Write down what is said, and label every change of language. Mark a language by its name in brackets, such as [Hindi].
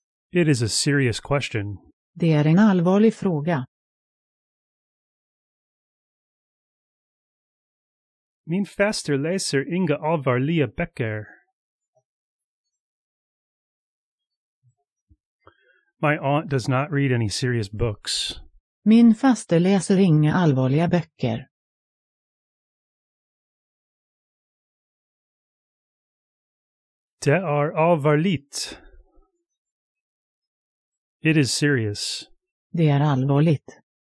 [English] It is a serious question. [Swedish] Det är en allvarlig fråga. Min faster läser inga allvarliga böcker. [English] My aunt does not read any serious books. [Swedish] Min faster läser inga allvarliga böcker. Det är allvarligt. [English] It is serious. [Swedish] Det är allvarligt.